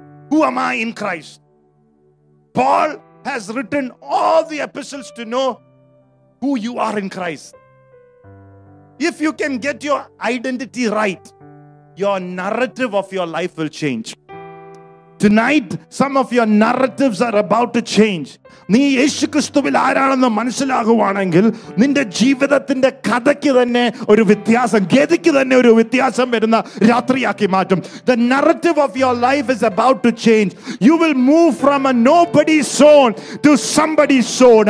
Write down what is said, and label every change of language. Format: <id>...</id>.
<en>Who am I in Christ? Paul has written all the epistles to know who you are in Christ. If you can get your identity right, your narrative of your life will change. Tonight, some of your narratives are about to change.</en> <ml>നീ യേശു ക്രിസ്തുവിൽ ആരാണെന്ന് മനസ്സിലാകുവാണെങ്കിൽ നിന്റെ ജീവിതത്തിന്റെ കഥയ്ക്ക് തന്നെ ഒരു വ്യത്യാസം, ഗതിക്ക് തന്നെ ഒരു വ്യത്യാസം വരുന്ന രാത്രിയാക്കി മാറ്റും.</ml> <en>The narrative of your life is about to change. You will move from a nobody zone to somebody's zone.</en>